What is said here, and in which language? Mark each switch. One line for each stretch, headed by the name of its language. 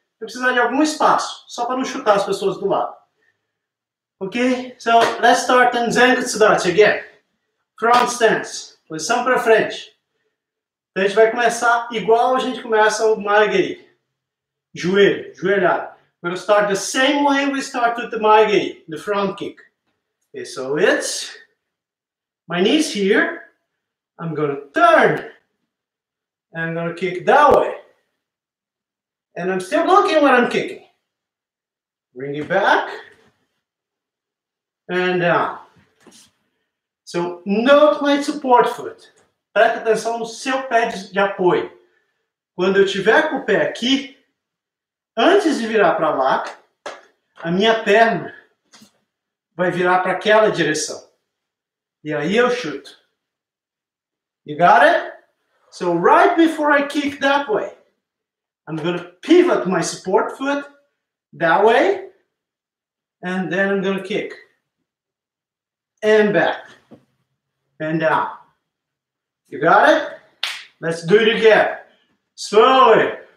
Portuguese: Você precisa de algum espaço, só para não chutar as pessoas do lado.
English: Ok? So, let's start in Zenko Tsudachi again. Front stance.
Portuguese: Posição para frente. Então a gente vai começar igual a gente começa o Maigeri. Joelho, joelhado.
English: We're gonna start the same way we start with the Maigeri, the front kick. Okay, so it's... My knees here. I'm going to turn, and I'm going to kick that way. And I'm still looking when I'm kicking. Bring it back. And down. So note my support foot.
Portuguese: Presta atenção no seu pé de apoio. Quando eu tiver com o pé aqui, antes de virar para lá, a minha perna vai virar para aquela direção. E aí eu chuto.
English: You got it? So right before I kick that way, I'm going to pivot my support foot that way, and then I'm going to kick. And back. And down. You got it? Let's do it again. Slowly.